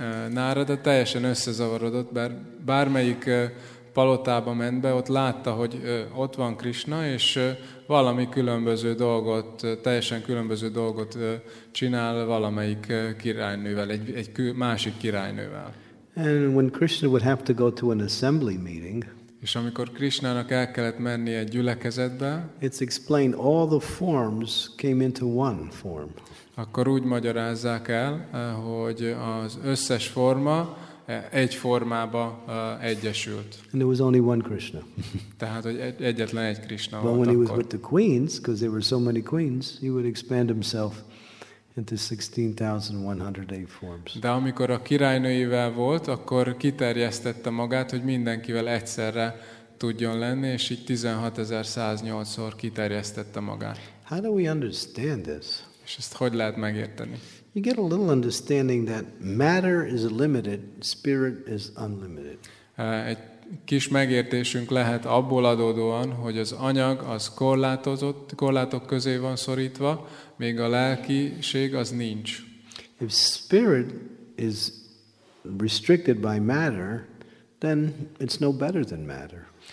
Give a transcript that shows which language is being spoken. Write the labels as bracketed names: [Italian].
[Hungarian] Nárada teljesen összezavarodott, bármelyik palotába ment be, ott látta, hogy ott van Krishna, és valami különböző dolgot, teljesen különböző dolgot csinál valamelyik királynővel, egy másik királynővel. [English] And when Krishna would have to go to an assembly meeting, [Hungarian] és amikor Krishnának el kellett menni egy gyülekezetbe, [English] it's explained all the forms came into one form. [Hungarian] Akkor úgy magyarázzák el, hogy az összes forma egy formába egyesült. [English] And there was only one Krishna. [Hungarian] Tehát, hogy egyetlen egy Krishna volt akkor. [English] But when he was with the queens, because there were so many queens, he would expand himself into 16,108 forms. [Hungarian] De amikor a királynőivel volt, akkor kiterjesztette magát, hogy mindenkivel egyszerre tudjon lenni, és így 16,108-szor kiterjesztette magát. [English] How do we understand this? [Hungarian] És ezt hogy lehet megérteni? [English] You get a little understanding that matter is limited, spirit is unlimited. [Hungarian] Egy kis megértésünk lehet abból adódóan, hogy az anyag az korlátozott, korlátok közé van szorítva, még a lelkiség az nincs. [English] If spirit is restricted by matter, then it's no better than matter.